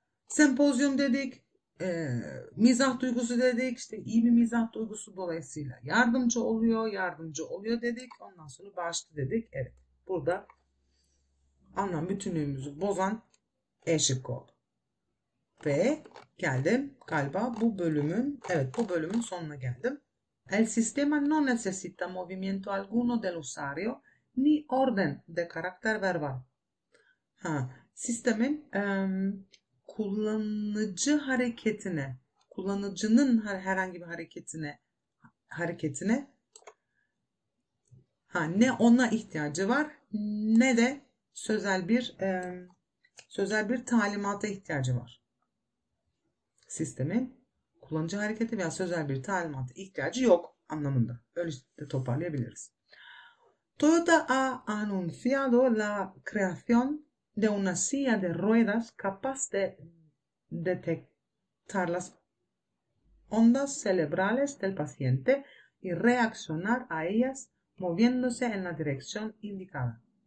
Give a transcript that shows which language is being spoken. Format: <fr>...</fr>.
<tr>Sempozyum dedik, mizah duygusu dedik, işte iyi bir mizah duygusu dolayısıyla yardımcı oluyor, yardımcı oluyor dedik, ondan sonra bağışlı dedik. Evet, burada anlam bütünlüğümüzü bozan eşik oldu. Ve geldim galiba bu bölümün, evet bu bölümün sonuna geldim.</tr> <es>El sistema no necesita movimiento alguno del usuario ni orden de carácter verbal.</es> <tr>Ha, sistemin kullanıcı hareketine, kullanıcının herhangi bir hareketine ha, ne ona ihtiyacı var ne de sözel bir talimata ihtiyacı var. Sistemin kullanıcı hareketi veya sözel bir talimata ihtiyacı yok anlamında. Öyle de toparlayabiliriz.</tr> <es>Toyota ha anunciado la creación de una silla de ruedas capaz de detectar las ondas cerebrales del paciente y reaccionar a ellas moviéndose en la dirección indicada.</es>